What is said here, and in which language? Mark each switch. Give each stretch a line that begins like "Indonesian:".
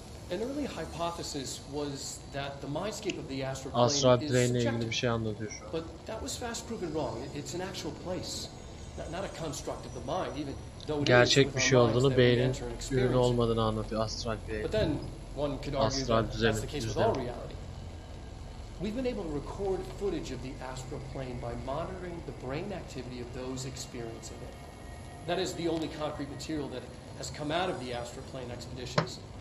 English: An early hypothesis was that the mindscape of the astral plane is subjective, but that was fast proven wrong. It's an actual place, not a construct of the mind, even though
Turkish: gerçek bir şey olduğunu, beynin ürün olmadığını anlatıyor astral plane.
English: But then one could argue that that's the case with all reality. We've been able to record footage of the astral plane by monitoring the brain activity of those experiencing it. That is the only concrete material that has come out of the astral plane expeditions.